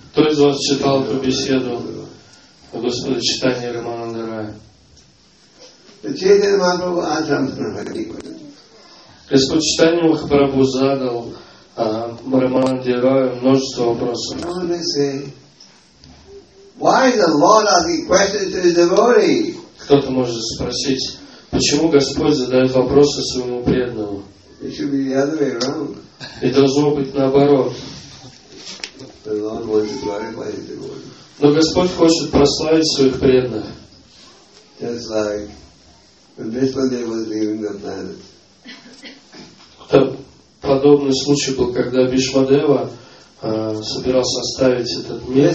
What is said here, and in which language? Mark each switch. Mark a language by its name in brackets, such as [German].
[Russian] Кто из вас читал эту беседу о Господе Чайтаньи и Рамананда Рае? Господь Чайтанья Махапрабху задал Рамананде Раю множество вопросов. [English] Why the Lord asking questions to his devotee? [Russian] Кто-то может спросить, почему Господь задает вопросы своему преданному? [English] It should be the other way around. [Russian] И должно быть наоборот. [English] The Lord wants to glorify his devotee. [Russian] Но Господь хочет прославить своих преданных. [English] Just like when Vishwadeva was leaving the planet. [Russian] Подобный случай был, когда Бишмадева собирался оставить этот